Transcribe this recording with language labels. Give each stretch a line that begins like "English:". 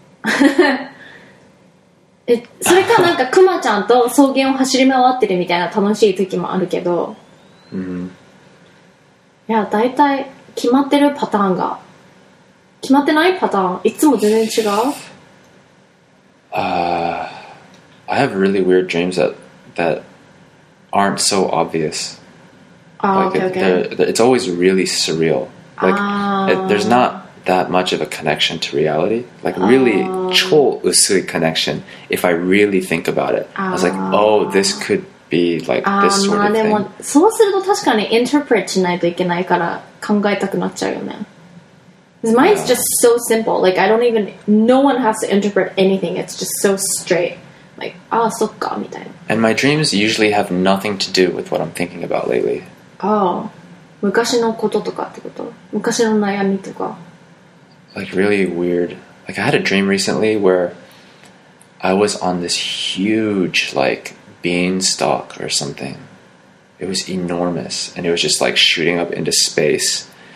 Japanese: それかなんかクマちゃんと草原を走り回ってるみたいな楽しい時もあるけど、いや大体決まってるパターンが、決まってないパターンいつも全然違う。
English: I have really weird dreams that aren't so obvious. Okay. It's always really surreal. Like, there's not. That much of a connection to reality, like really
Japanese: 超薄い
English: connection. If I really think about it, I was like, oh, this could be like this sort of thing.
Japanese: そうすると確かに interpret しないといけないから考えたくなっちゃうよね。
English: Mine's just so simple. Like I don't even, no one has to interpret anything. It's just so straight. Like ah,
Japanese: そっかみたいな。
English: And my dreams usually have nothing to do with what I'm thinking about lately.
Japanese: Oh, 昔のこととかってこと？昔の悩みとか。
English: Like really weird. Like I had a dream recently where I was on this huge like beanstalk or something. It was enormous and it was just like shooting up into space.